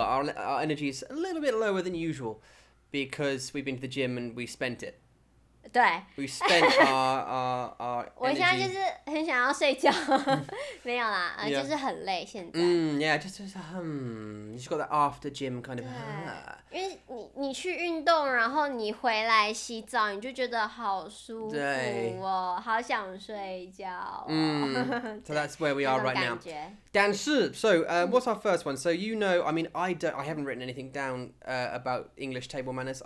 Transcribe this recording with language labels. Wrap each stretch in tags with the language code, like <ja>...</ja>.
<en>Our energy is a little bit lower than usual because we've been to the gym and we spent it.</en> <zh>对</zh> <en>We spent our energy.</en> <zh>我现在就是很想要睡觉，没有啦，</zh> <en>yeah.</en> <zh>就是很累现在。</zh> <en>Yeah, just you just got that after gym kind of.</en> <zh>因为你去运动，然后你回来洗澡，你就觉得好舒服哦，好想睡觉哦。</zh> <en>So that's where we are right now.</en> <zh>但是</zh> <en>so what's our first one? So you know, I mean, I haven't written anything down about English table manners.</en>